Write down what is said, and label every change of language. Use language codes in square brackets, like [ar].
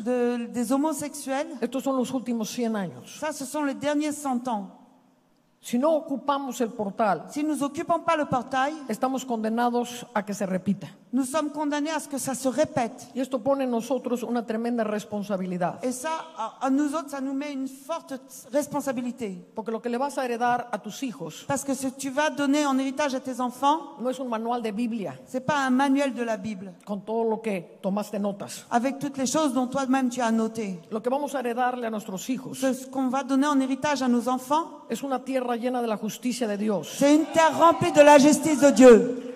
[fr] Des homosexuels. [es] Estos son los últimos 100 años. [fr] Ça, ce sont les derniers 100 ans. [es] Si no ocupamos el portal, [fr] si nous occupons pas le portail, [es] estamos condenados a que se repita. [fr] Nous sommes condamnés à ce que ça se répète. [es] Y esto pone en nosotros una tremenda responsabilidad. [fr] Et ça, à nous autres, ça nous met une forte responsabilité. [es] Porque lo que le vas a heredar a tus hijos, [fr] parce que ce que tu vas donner en héritage à tes enfants, [es] no es un manual de Biblia. [fr] C'est pas un manuel de la Bible. [es] Con todo lo que tomaste notas. [fr] Avec toutes les choses dont toi-même tu as noté. [es] Lo que vamos a heredarle a nuestros hijos, [fr] ce qu'on va donner en héritage à nos enfants, [es] es una tierra llena de la justicia de Dios. [fr] C'est une terre remplie de la justice de Dieu.